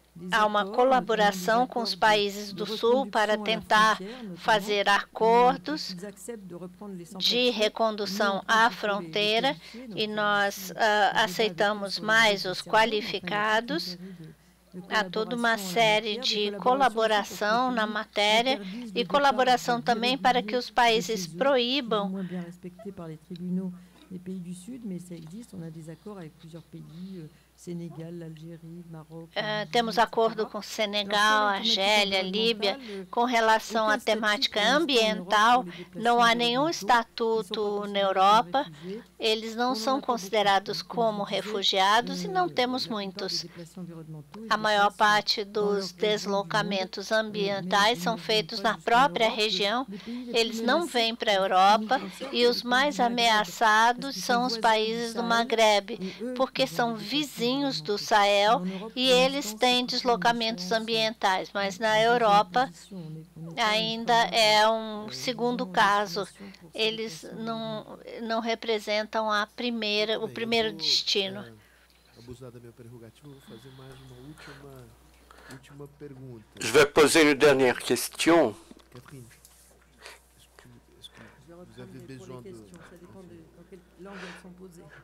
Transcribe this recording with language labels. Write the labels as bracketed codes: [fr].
[pt] Há uma colaboração com os países do sul para tentar fazer acordos de recondução à fronteira, e nós aceitamos mais os qualificados. Há toda uma série de colaboração na matéria e colaboração também para que os países proíbam. Os países do sul, mas isso existe, nós temos acordos com vários países [fr] Sénégal, l'Algérie, Maroc. [pt] Temos acordo com Senegal, Argélia, Líbia. Com relação à temática ambiental, não há nenhum estatuto na Europa. Eles não são considerados como refugiados e não temos muitos. A maior parte dos deslocamentos ambientais são feitos na própria região. Eles não vêm para a Europa e os mais ameaçados são os países do Maghreb, porque são vizinhos do Sahel e eles têm deslocamentos ambientais. Mas na Europa ainda é um segundo caso. Eles não representam a primeira, o primeiro destino. Abusar da minha prerrogativa, vou fazer mais uma última pergunta. [fr] Je vais poser une dernière question. Catherine, vous avez besoin de... Ça dépend de dans quelle langue elles sont posées.